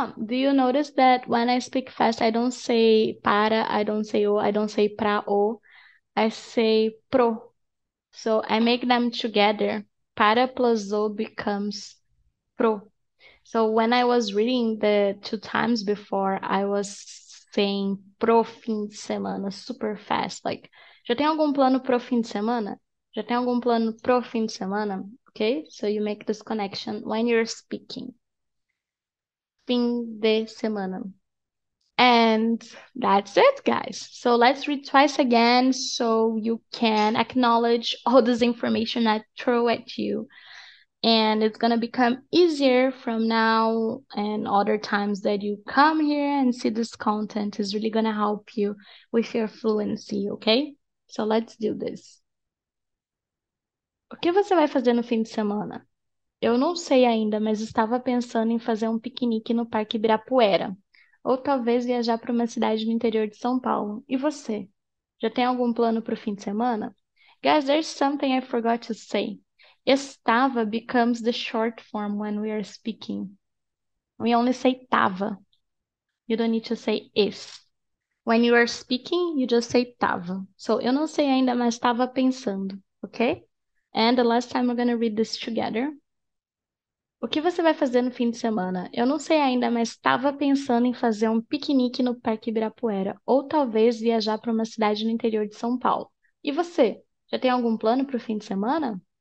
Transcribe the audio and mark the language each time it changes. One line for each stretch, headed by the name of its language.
English: Do you notice that when I speak fast, I don't say para, I don't say o, I don't say pra o, I say pro. So I make them together. Para plus o becomes pro. So when I was reading the two times before, I was saying
Portuguese: pro fim de semana,
English: super fast.
Portuguese: Like, já tem algum plano pro fim de semana? Já tem algum plano pro fim de semana?
English: Okay? So you make this connection when you're speaking.
Portuguese: Fim de semana.
English: And that's it, guys. So let's read twice again so you can acknowledge all this information I throw at you. And it's gonna become easier from now and other times that you come here and see this content is really gonna help you with your fluency, okay? So let's do this.
Portuguese: O que você vai fazer no fim de semana? Eu não sei ainda, mas estava pensando em fazer um piquenique no Parque Ibirapuera. Ou talvez viajar para uma cidade no interior de São Paulo. E você? Já tem algum plano para o fim de semana?
English: Guys, there's something I forgot to say. Estava becomes the short form when we are speaking. We only say tava. You don't need to say is. When you are speaking, you just say tava.
Portuguese: So, eu não sei ainda, mas estava pensando, ok?
English: And the last time we're gonna read this together.
Portuguese: O que você vai fazer no fim de semana? Eu não sei ainda, mas estava pensando em fazer um piquenique no Parque Ibirapuera, ou talvez viajar para uma cidade no interior de São Paulo. E você? Já tem algum plano para o fim de semana?